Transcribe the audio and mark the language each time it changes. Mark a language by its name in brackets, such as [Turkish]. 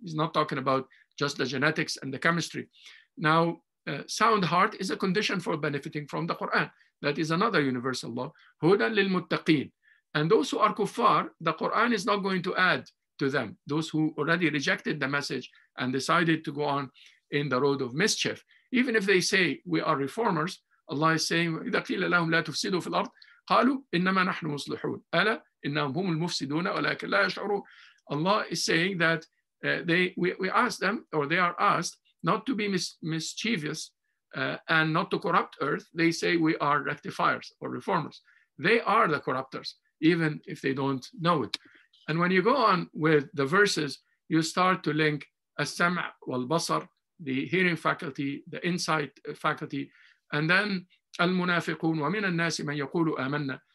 [English] He's not talking about just the genetics and the chemistry. Now, sound heart is a condition for benefiting from the Quran. That is another universal law. Hudan lil muttaqin. And those who are kuffar, the Quran is not going to add to them. Those who already rejected the message and decided to go on in the road of mischief. Even if they say we are reformers, Allah is saying, [Arabic] إِذَا قِيلَ لَهُمْ لَا تُفْسِدُوا فِي الْأَرْضِ قَالُوا إِنَّمَا نَحْنُ مُصْلِحُونَ أَلَا إِنَّهُمْ هُمُ الْمُفْسِدُونَ وَلَكِنْ لَا يَشْعُرُونَ. [English] Allah is saying that we ask them, or they are asked, not to be mischievous and not to corrupt earth. They say we are rectifiers or reformers. They are the corruptors, even if they don't know it. And when you go on with the verses, you start to link as-sam' wal-basar, the hearing faculty, the insight faculty, and then al-munafiqun [Arabic] wa min al-nasi man yaqulu amanna.